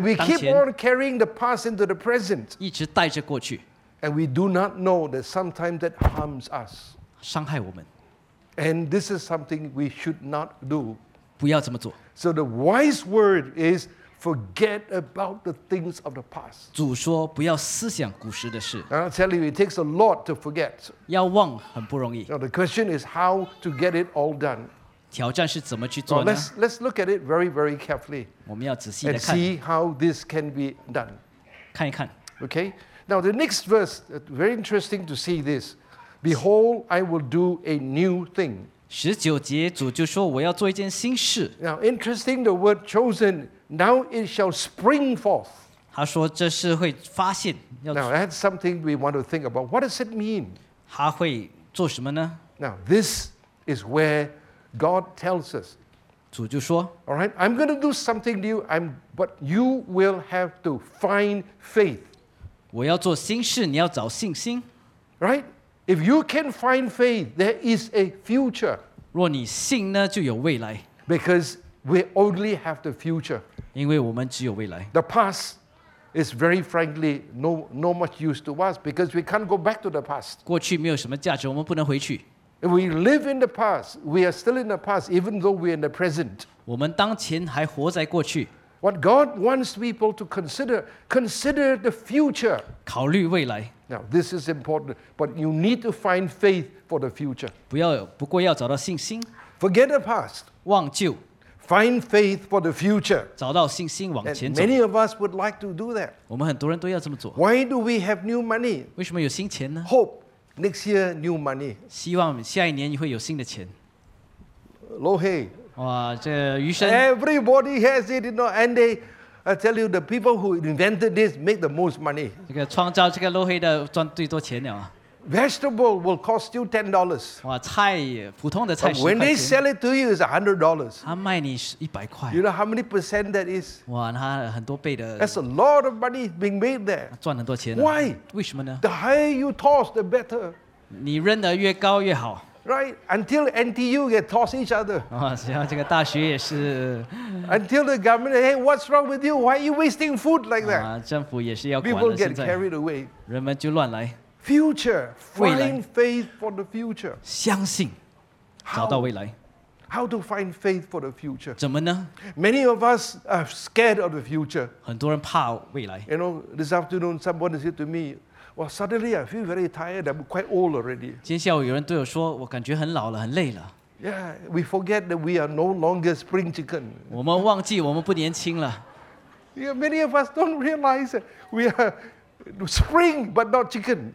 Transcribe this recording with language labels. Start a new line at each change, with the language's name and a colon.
English: And we keep on carrying the past into the present.
Chinese: 一直带着过去。
English: And we do not know that sometimes that harms us.
Chinese: 伤害我们。
English: And this is something we should not do.
Chinese: 不要这么做。
English: So the wise word is forget about the things of the past.
Chinese: 主说不要思想古时的事。
English: I'll tell you, it takes a lot to forget.
Chinese: 要忘很不容易。
English: Now the question is how to get it all done.
Chinese: 挑战是怎么去做呢?
English: Now let's look at it very, very carefully.
Chinese: 我们要仔细地看。
English: And see how this can be done.
Chinese: 看一看。
English: Okay? Now the next verse, very interesting to see this. Behold, I will do a new thing.
Chinese: 19节主就说我要做一件新事。
English: Now interesting, the word chosen, now it shall spring forth.
Chinese: 他说这是会发现,
English: now that's something we want to think about. What does it mean?
Chinese: 他会做什么呢?
English: Now this is where God tells us.
Chinese: 主就说,
English: all right, I'm going to do something new, but you will have to find faith.
Chinese: 我要做新事, 你要找信心。
English: Right? If you can find faith, there is a future.
Chinese: 若你信呢, 就有未来。
English: Because we only have the future.
Chinese: 因为我们只有未来.
English: The past is very frankly no much use to us because we can't go back to the past.
Chinese: 过去没有什么价值, 我们不能回去.
English: If we live in the past, we are still in the past even though we are in the present.
Chinese: 我们当前还活在过去.
English: What God wants people to consider the future.
Chinese: 考虑未来.
English: Now this is important, but you need to find faith for the future.
Chinese: 不过要找到信心.
English: Forget the past.
Chinese: 忘旧.
English: Find faith for the future.
Chinese: 找到信心往前走。
English: Many of us would like to do that.
Chinese: 我们很多人都要这么做。
English: Why do we have new money?
Chinese: 为什么有新钱呢?
English: Hope next year new money.
Chinese: 希望下一年会有新的钱。
English: Lohe.
Chinese: 哇,这余生。
English: Everybody has it, you know, and they, I tell you, the people who invented this make the most money.
Chinese: 这个创造这个Lohe的赚最多钱了。
English: Vegetable will cost you $10.
Chinese: 哇,菜, 普通的菜,
English: but when they sell it to you, it's $100.
Chinese: 他卖你100块。
English: You know how many percent that is?
Chinese: 哇,他很多倍的,
English: that's a lot of money being made there.
Chinese: 赚很多钱了。
English: Why?
Chinese: 为什么呢?
English: The higher you toss, the better.
Chinese: 你扔得越高越好。
English: Right? Until NTU get tossed each other.
Chinese: 哇,这个大学也是。
English: Until the government, hey, what's wrong with you? Why are you wasting food like that?
Chinese: 啊,政府也是要管了,
English: people get carried away.
Chinese: 人们就乱来。
English: Future. Find faith for the future.
Chinese: 相信,
English: how? How to find faith for the future?
Chinese: 怎么呢?
English: Many of us are scared of the future.
Chinese: 很多人怕未来.
English: You know, this afternoon someone said to me, well, suddenly I feel very tired. I'm quite old already.
Chinese: 今天下午有人对我说，我感觉很老了，很累了。
English: Yeah, we forget that we are no longer spring chicken.
Chinese: 我们忘记我们不年轻了。
English: Yeah, many of us don't realize that we are spring but not chicken.